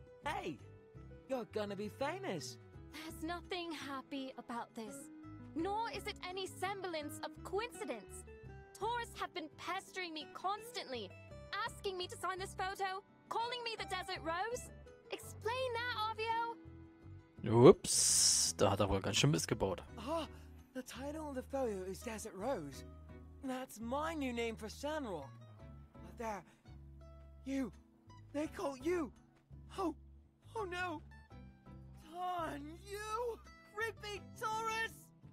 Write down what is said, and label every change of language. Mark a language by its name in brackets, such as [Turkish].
[English] Hey, you're gonna be famous! There's nothing happy about this. Nor is it any semblance of coincidence. Tourists have been pestering me constantly, asking me to sign this photo, calling me the Desert Rose. Explain that, Avio! [German] Whoops, da hat er wohl ganz schön Mist gebaut. [English] Ah, the title of the photo is Desert Rose. That's my new name for Sandrock. But there, you, they call you. Oh no. Darn, you, creepy tourist!